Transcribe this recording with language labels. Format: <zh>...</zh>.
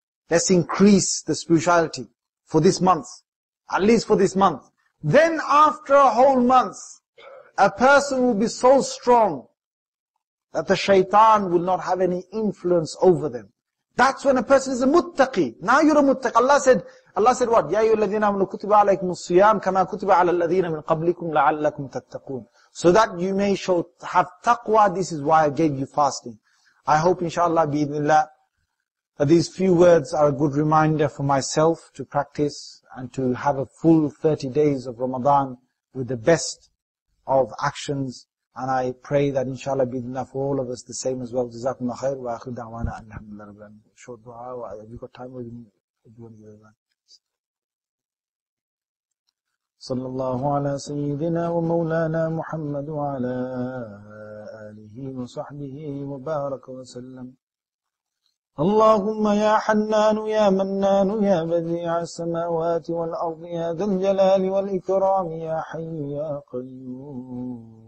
<en>Let's increase the spirituality for this month. At least for this month. Then after a whole month, a person will be so strong that the shaitan will not have any influence over them. That's when a person is a muttaqi. Now you're a muttaqi. Allah said what?</en> <ar>يَا أَيُّهَا الَّذِينَ آمَنُوا كُتِبَ عَلَيْكُمُ الصِّيَامُ كَمَا كُتِبَ عَلَى الَّذِينَ مِنْ قَبْلِكُمْ لَعَلَّكُمْ تَتَّقُونَ</ar> <en>So that you may show have taqwa, this is why I gave you fasting. I hope inshallah, bi-idhnillah, that these few words are a good reminder for myself to practice and to have a full 30 days of Ramadan with the best of actions. And I pray that inshallah bi-idhnillah for all of us the same as well.</en> <ar>جزاكم الله خير وآخر دعوانا أن الحمد لله رب العالمين.</ar> <en>Short dua. Have you got time? Or do you want to do that?</en> <ar>صلى الله على سيدنا ومولانا محمد وعلى آله وصحبه وبارك وسلم اللهم يا حنان يا منان يا بديع السماوات والأرض يا ذا الجلال والإكرام يا حي يا قيوم</ar>